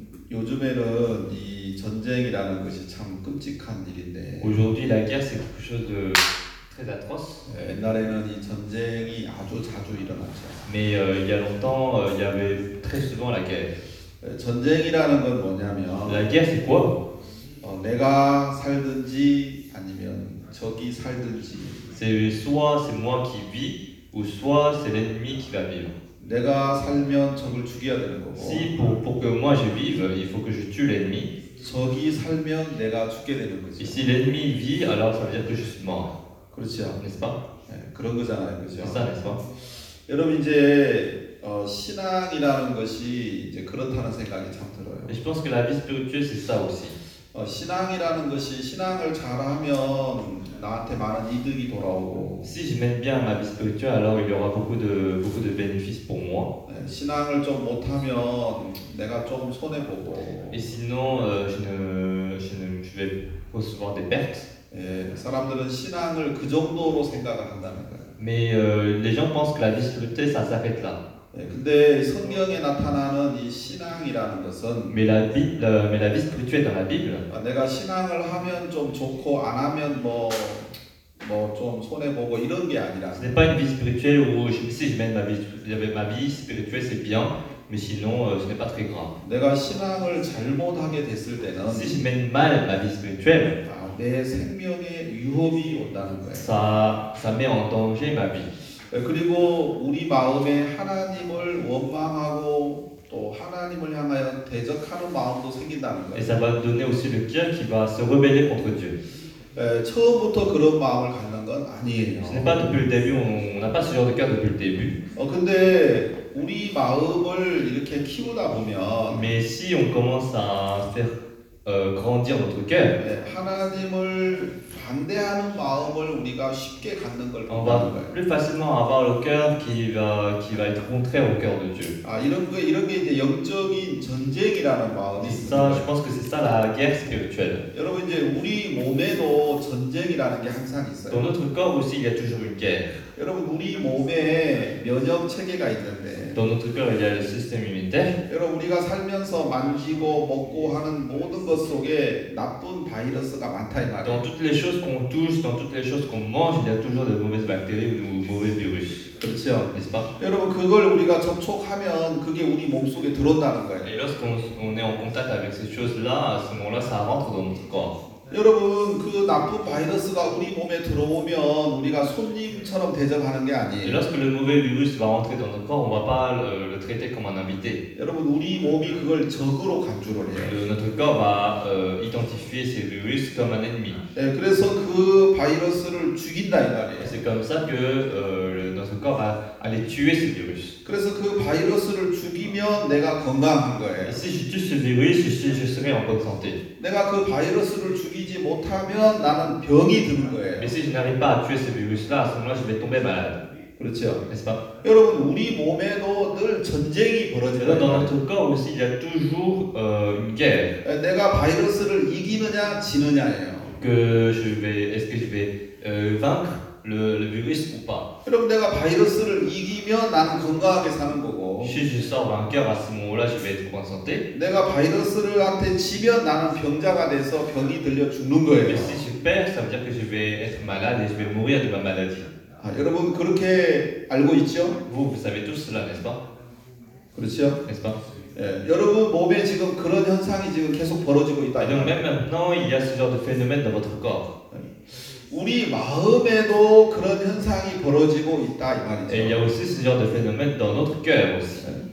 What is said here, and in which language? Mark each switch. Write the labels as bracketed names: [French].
[Korean] 요즘에는 이 전쟁이라는 것이 참 끔찍한 일인데. [French] Aujourd'hui, la guerre, c'est quelque chose de très atroce. [Korean] 옛날에는 이 전쟁이 아주 자주 일어났죠. [French] Mais il y a longtemps, il y avait très souvent la guerre. [Korean] 전쟁이라는 건 뭐냐면. [French] La guerre, c'est quoi? [Korean] 내가 살든지 아니면 적이 살든지. [French] C'est soit c'est moi qui vis ou soit c'est l'ennemi qui va vivre. [Korean] 내가 살면 적을 죽여야 되는 거고. [French] Si pour que moi je vive, il faut que je tue l'ennemi. [Korean] 적이 살면 내가 죽게 되는 거지. [French] Si l'ennemi vit, alors ça veut dire que je suis mort. [Korean] 그렇죠, [French] n'est-ce pas? [Korean] 네, 그런 거잖아요, 그렇죠. [French] C'est ça, n'est-ce pas? [Korean] 여러분 이제 신앙이라는 것이 이제 그렇다는 생각이 참 들어요. [French] Je pense que la vie spirituelle c'est ça aussi. [Korean] 신앙이라는 것이 신앙을 잘하면 나한테 많은 이득이 돌아오고. [French] Si je mène bien ma vie spirituelle, alors il y aura beaucoup de bénéfices pour moi. [Korean] 신앙을 좀 못하면 내가 좀 손해 보고. [French] Et sinon, je vais recevoir des pertes. [Korean] 사람들은 신앙을 그 정도로 생각을 한다는 거예요. [French] Mais les gens pensent que la vie spirituelle, ça s'arrête là. [Korean] 근데 성경에 나타나는 이 신앙이라는 것은 [French] mais la vie spirituelle dans la Bible [Korean] 내가 신앙을 하면 좀 좋고 안 하면 뭐 좀 손해 보고 이런 게 아니라 [French] ce n'est pas une vie spirituelle où si je mène ma vie spirituelle c'est bien mais sinon ce n'est pas très grave [Korean] 내가 신앙을 잘못하게 됐을 때는 [French] si je mène mal ma vie spirituelle [Korean] 내 생명에 위협이 온다는 거예요 [French] ça met en danger ma vie [Korean] 그리고 우리 마음에 하나님을 원망하고 또 하나님을 향하여 대적하는 마음도 생긴다는 거예요. [French] Et ça va donner aussi le cœur qui va se rebeller contre Dieu. [Korean] 처음부터 그런 마음을 갖는 건 아니에요. [French] Ce n'est pas depuis le début, on n'a pas ce genre de cœur depuis le début. [Korean] 근데 우리 마음을 이렇게 키우다 보면 [French] Mais si on commence à faire grandir notre cœur, [Korean] 하나님을 반대하는 마음을 우리가 쉽게 갖는 걸 [French] On va plus facilement avoir le cœur qui va être contraire au cœur de Dieu. [Korean] 이런 게 이제 영적인 전쟁이라는 마음이 있어. [French] Je pense que c'est ça la guerre spirituelle. [Korean] 여러분 이제 우리 몸에도 전쟁이라는 게 항상 있어요. [French] Dans notre corps aussi il y a toujours une guerre. [Korean] 여러분 우리 몸에 면역 체계가 있는데. [French] Dans notre corps il y a le système immunitaire. [Korean] 여러분 우리가 살면서 만지고 먹고 하는 모든 것 속에 나쁜 바이러스가 많다 이 말이야. [French] Dans toutes les choses qu'on touche, dans toutes les choses qu'on mange, il y a toujours des mauvaises bactéries ou des mauvais virus. [Korean] 그렇죠, [French] n'est-ce pas? [Korean] 여러분 그걸 우리가 접촉하면 그게 우리 몸 속에 들어온다는 거예요. [French] Et lorsqu'on est en contact avec ces choses-là, à ce moment-là, ça rentre dans notre corps. [Korean] 여러분 그 나쁜 바이러스가 우리 몸에 들어오면 우리가 손님처럼 대접하는 게 아니에요. [French] Et lorsque le mauvais virus va entrer dans notre corps, on va pas le traiter comme un invité. [Korean] 여러분 우리 몸이 그걸 적으로 간주를 해요. [French] Notre corps va identifier ces virus comme un ennemi. [Korean] 네, 그래서 그 바이러스를 죽인다 이 말이에요. [French] C'est comme ça que notre corps va aller tuer ce virus. [Korean] 그래서 그 바이러스를 죽이면 내가 건강한 거예요. [French] Et si je tue ce virus, je serai en bonne santé. [Korean] 내가 그 바이러스를 죽이지 못하면 나는 병이 드는 거예요. [French] Mais si je n'arrive pas à tuer ce virus-là, à ce moment-là, je vais tomber malade. [Korean] 그렇죠. [French] N'est-ce pas? [Korean] 여러분, 우리 몸에도 늘 전쟁이 벌어져요. [French] Dans notre corps aussi, il y a toujours une guerre. [Korean] 내가 바이러스를 이기느냐, 지느냐예요. [French] Est-ce que je vais vaincre le virus ou pas? [Korean] 여러분, 내가 바이러스를 이기면 나는 건강하게 사는 거고. [French] Si je sors vainqueur à ce moment-là, je vais être en santé. [Korean] 내가 바이러스를한테 지면 나는 병자가 돼서 병이 들려 죽는 거예요. [French] Mais si je perds, ça veut dire que je vais être malade et je vais mourir de ma maladie. [Korean] 여러분 그렇게 알고 있죠? [French] Vous savez tout cela, n'est-ce pas? [Korean] 그렇죠? [French] N'est-ce pas? [Korean] 여러분 몸에 지금 그런 현상이 지금 계속 벌어지고 있다. [French] Donc maintenant, il y a ce genre de phénomène dans votre corps. [Korean] 우리 마음에도 그런 현상이 벌어지고 있다 이 말이죠. [French] Il y a aussi ce genre de phénomène dans notre cœur aussi.